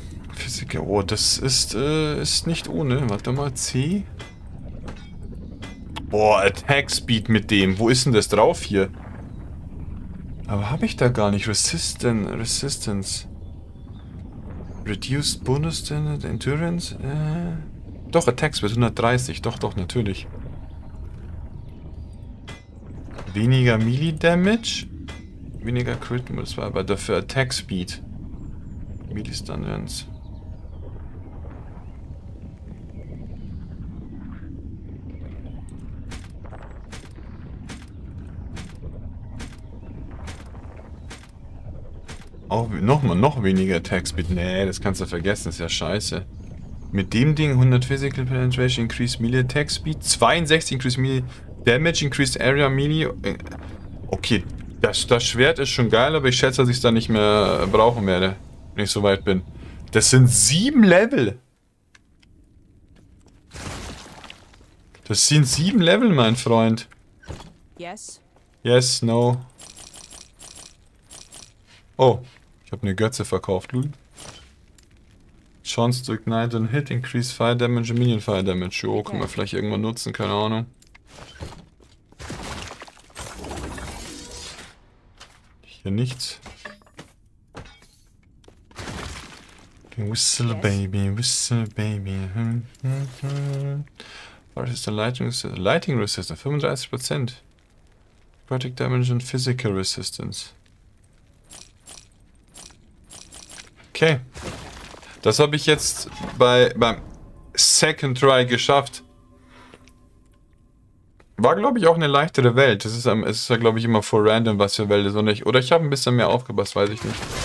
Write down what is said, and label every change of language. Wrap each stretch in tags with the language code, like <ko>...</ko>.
<de>Apotheke. Oh, das ist, ist nicht ohne. Warte mal, C. Boah, Attack Speed mit dem. Wo ist denn das drauf hier? Aber habe ich da gar nicht.</de> <en>Resistance. Reduced Bonus Endurance.</en> <de>Doch, Attack Speed 130. Doch, natürlich. Weniger Melee Damage. Weniger Crit, das war aber dafür Attack Speed. Melee Stunlands. Auch noch weniger Attack Speed. Nee, das kannst du vergessen, das ist ja scheiße. Mit dem Ding</de> <en>100 Physical Penetration, Increased Melee Attack Speed. 62 Increased Melee Damage, Increased Area Melee.</en> <de>Okay, das Schwert ist schon geil, aber ich schätze, dass ich es da nicht mehr brauchen werde, wenn ich so weit bin. Das sind 7 Level. Das sind 7 Level, mein Freund.</de> <en>Yes. Yes, no.</en> <de>Oh, ich habe eine Götze verkauft, Lul.</de> <en>Chance to ignite and hit, increase fire damage and minion fire damage.</en> <de>Jo, können wir vielleicht irgendwann nutzen, keine Ahnung. Hier nichts.</de> <en>Okay, whistle baby, whistle baby.</en> <de>Was ist der Lighting Resistance? 35%.</de> <en>Necrotic damage and physical resistance. Okay.</en> <de>Das habe ich jetzt beim Second Try geschafft. War, glaube ich, auch eine leichtere Welt. Das ist, ja, glaube ich, immer voll random, was für Welt ist. Und ich, oder ich habe ein bisschen mehr aufgepasst, weiß ich nicht.</de>